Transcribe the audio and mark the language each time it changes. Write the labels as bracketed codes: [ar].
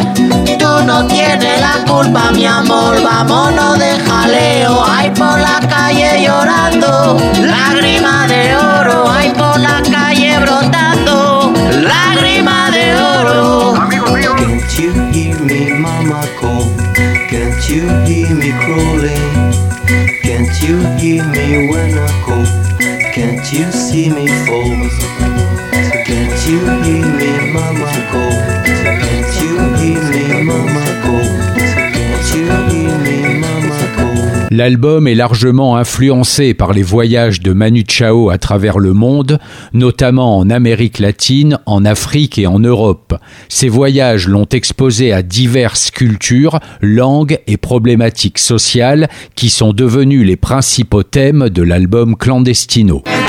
[es] Tu no tienes la culpa, mi amor, vámonos de jaleo. Ay, por la calle llorando, lágrima de oro. Ay, por la calle brotando, lágrima de oro. [en] Can't you hear me, mama, call? Can't you hear me crawling? Can't you hear me when I call? Can't you see me fall? Can't you hear me, mama, call? Can't you hear me, mama, call? Can't you hear me, mama, call? [fr] L'album est largement influencé par les voyages de Manu Chao à travers le monde, notamment en Amérique latine, en Afrique et en Europe. Ses voyages l'ont exposé à diverses cultures, langues et problématiques sociales qui sont devenues les principaux thèmes de l'album Clandestino.